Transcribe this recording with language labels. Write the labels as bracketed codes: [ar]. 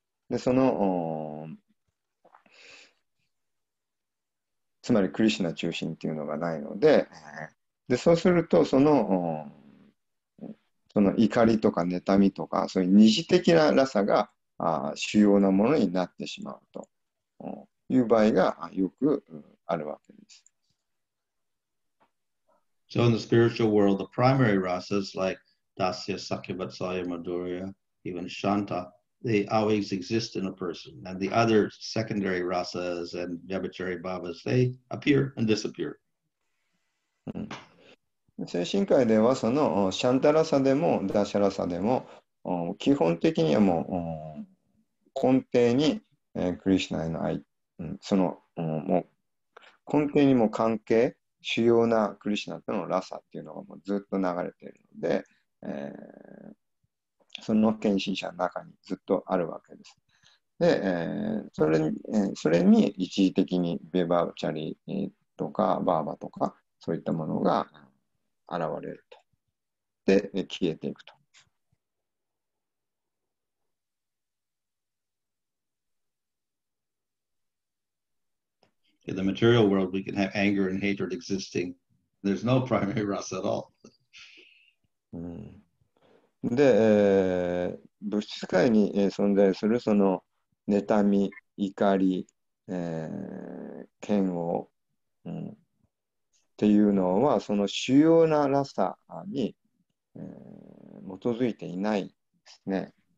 [ja] でそのつまりクリシナ中心っていうのがないので、でそうするとその怒りとか妬みとか、そういう二次的なラサが主要なものになってしまうという場合がよくあるわけです。 [en] So in the spiritual world, the primary rasas like Dasya, Sakyavatsalya, Madhurya, even Shanta, they always exist in a person. And the other secondary rasas and Vyabhachari Bhavas, they appear and disappear. [ja] 精神界ではそのシャンタラサでもダシャラサでも基本的にはもう根底にクリシナへの愛、そのもう根底にも関係、主要なクリシナとのラサっていうのがもうずっと流れているので、その献身者の中にずっとあるわけです。で、それに一時的にベバーチャリとかバーバとかそういったものが現れると、で消えていくと。 [en] In the material world, we can have anger and hatred existing. There's no primary rasa at all. [ja] で、物質界に存在するその妬み、怒り、嫌悪、っていうのはその主要なラサに、基づいていないですね。